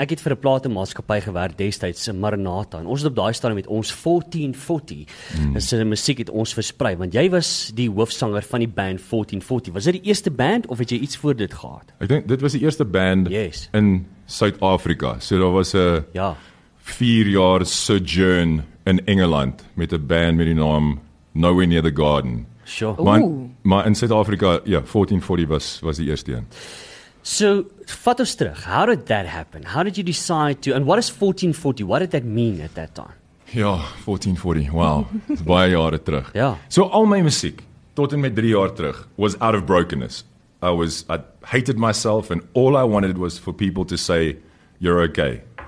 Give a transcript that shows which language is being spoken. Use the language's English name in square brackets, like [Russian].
[Afrikaans] Ek het vir 'n platenmaatskappy gewerk destyds, Maranatha. En ons het op daai stadium met ons 1440. Mm. En sy musiek het ons versprei. Want jy was die hoofsanger van die band 1440. Was dit die eerste band of het jy iets voor dit gehad? Ek dink dit was die eerste band [English] yes. [Afrikaans] In Suid-Afrika. So, daar was 'n ja. 4-jaar sojourn in Engeland met 'n band met die naam Nowhere Near the Garden. [English] Sure. [Afrikaans] Maar in Suid-Afrika, ja, 1440 was die eerste een. So, vat ons terug. [English] How did that happen? How did you decide to, and what is 1440? What did that mean at that time? [Afrikaans] Ja, 1440, wow. Dat is baie jare terug. Ja. So, al my muziek, tot en met 3 jaar terug, [English] was out of brokenness. I hated myself, and all I wanted was for people to say, you're okay.